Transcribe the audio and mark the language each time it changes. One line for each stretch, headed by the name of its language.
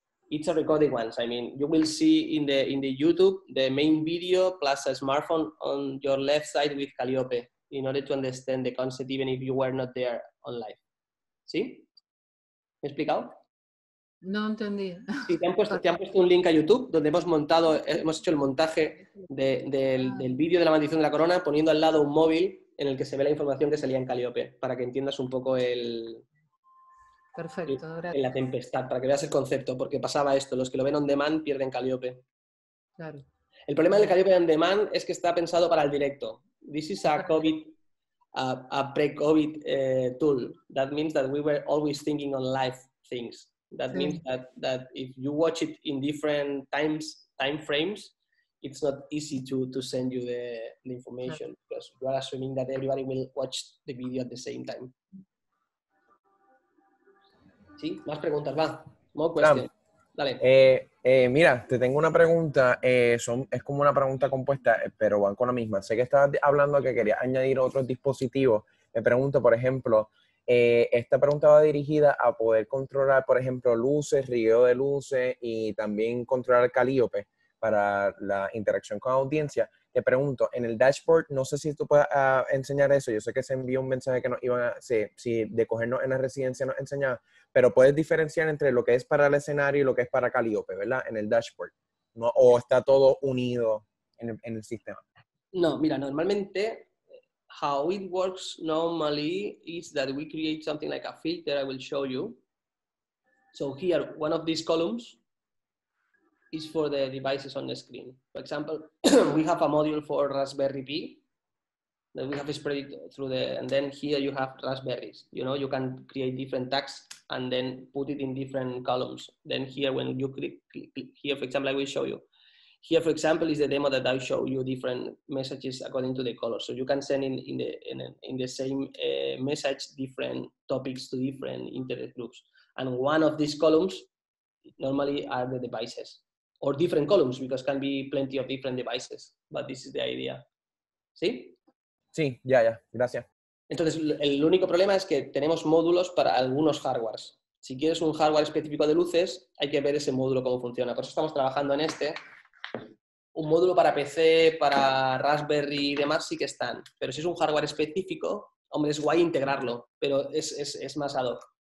English: It's a recorded one, I mean, you will see in the YouTube the main video plus a smartphone on your left side with Calliope, in order to understand the concept, even if you were not there on live.
Spanish: ¿Sí? ¿Me he explicado? No entendí. Sí, te han puesto un link a YouTube donde hemos hecho el montaje del vídeo de La Maldición de la Corona, poniendo al lado un móvil en el que se ve la información que salía en Calliope, para que entiendas un poco Perfecto, gracias. La tempestad, para que veas el concepto, porque pasaba esto, los que lo ven on demand pierden Calliope. Claro. El problema del Calliope on demand es que está pensado para el directo.
English: This is a COVID, a pre-COVID tool. That means that we were always thinking on live things. That means that if you watch it in different time frames, it's not easy to send you the information, because you are assuming that everybody will watch the video at the same time.
Spanish: ¿Sí? ¿Más preguntas? Va.
English: More questions.
Spanish: Dale. Mira, te tengo una pregunta, es como una pregunta compuesta, pero van con la misma. Sé que estabas hablando que querías añadir otros dispositivos. Me pregunto, por ejemplo, esta pregunta va dirigida a poder controlar, por ejemplo, luces, riego de luces y también controlar Calliope para la interacción con la audiencia. Te pregunto, en el dashboard, no sé si tú puedes enseñar eso. Yo sé que se envió un mensaje que nos iban a... Sí, de cogernos en la residencia nos enseñaba. Pero puedes diferenciar entre lo que es para el escenario y lo que es para Calliope, ¿verdad? En el dashboard. ¿No? ¿O está todo unido en el sistema? No, mira, normalmente,
English: how it works normally is that we create something like a filter I will show you. So here, one of these columns is for the devices on the screen. For example, we have a module for Raspberry Pi that we have spread it through the, and then here you have raspberries. You know, you can create different tags and then put it in different columns. Then here, when you click here, for example, I will show you. Here, for example, is the demo that I show you different messages according to the color. So you can send in the same message different topics to different interest groups. And one of these columns normally are the devices. Or different columns, because can be plenty of different devices, but this is the idea.
Spanish: ¿Sí? Sí, ya, gracias. Entonces, el único problema es que tenemos módulos para algunos hardwares. Si quieres un hardware específico de luces, hay que ver ese módulo cómo funciona. Por eso estamos trabajando en este. Un módulo para PC, para Raspberry y demás sí que están. Pero si es un hardware específico, hombre, es guay integrarlo, pero es más ad hoc.